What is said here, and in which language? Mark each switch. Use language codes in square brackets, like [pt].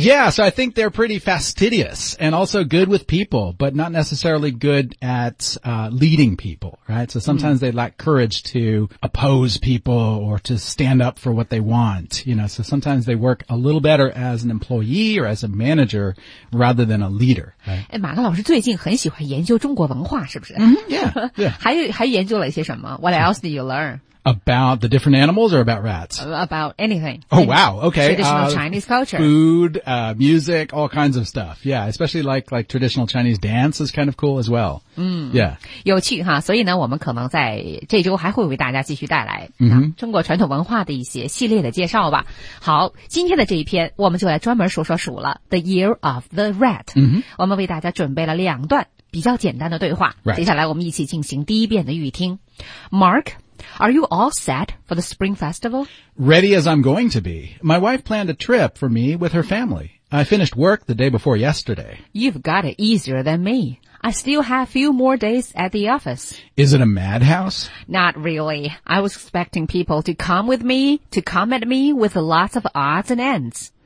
[en] Yeah, so I think they're pretty fastidious and also good with people, but not necessarily good at, leading people, right? So sometimes、mm. they lack courage to oppose people or to stand up for what they want, you know, so sometimes they work a little better as an employee or as a manager rather than a leader, right? [zh] 哎，马克老师最近很喜欢研究中国文化，是不是？ [en] Mm-hmm. Yeah, yeah. [zh] 还研究了一些什么？ [en] What else did you learn? About the different animals or about rats? About anything. Oh, wow. Okay. Traditional Chinese culture. Food, music, all kinds of stuff. Yeah. Especially like traditional Chinese dance is kind of cool as well. Yeah. [zh] 有趣哈。所以呢我们可能在这周还会为大家继续带来、 mm-hmm. 中国传统文化的一些系列的介绍吧。好，今天的这一篇我们就来专门说说鼠了。 [en] The Year of the Rat.、 Mm-hmm. [zh] 我们为大家准备了两段比较简单的对话。 [en] Right. [zh] 接下来我们一起进行第一遍的预听。 [en] Mark,Are you all set for the spring festival? Ready as I'm going to be. My wife planned a trip for me with her family. I finished work the day before yesterday. You've got it easier than me. I still have a few more days at the office. Is it a madhouse? Not really. I was expecting people to come with me, to come at me with lots of odds and ends.